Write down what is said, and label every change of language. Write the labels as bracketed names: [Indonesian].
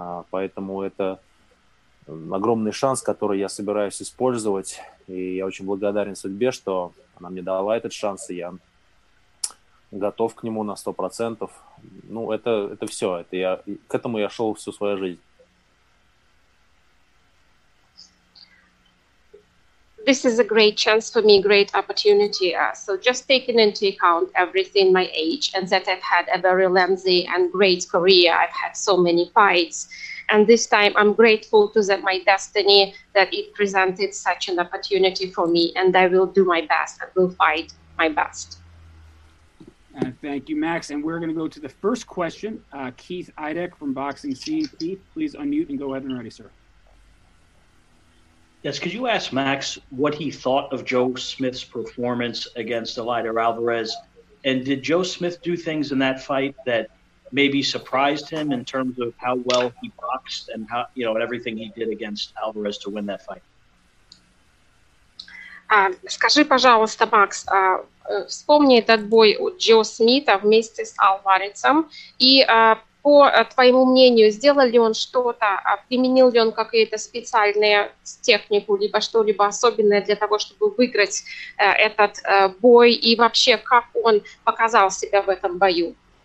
[Russian] Поэтому это огромный шанс, который я собираюсь использовать. И я очень благодарен судьбе, что она мне дала этот шанс, и я готов к нему на 100%. Ну, это все. Это я, к этому я шел всю свою жизнь. [English] This is a great chance for me, great opportunity. So just taking into account everything, my age, and that I've had a very lengthy and great career. I've had so many fights. And this time I'm grateful to that my destiny that it presented such an opportunity for me, and I will do my best and will fight my best. Thank you, Max. And we're going to go to the first question. Keith Idek from Boxing Scene. Keith, please unmute and go ahead and ready, sir. Yes, could you ask Max what he thought of Joe Smith's performance against Elider Alvarez? And did Joe Smith do things in that fight that maybe surprised him in terms of how well he boxed and how, you know, everything he did against Alvarez to win that fight? [Russian] Скажи, пожалуйста, Макс, вспомни этот бой у Джо Смита вместе с Альваресом и по твоему мнению, сделал ли он что-то, применил ли он какие-то специальные технику либо что-либо особенное для того, чтобы выиграть этот бой и вообще как он показал себя в этом бою?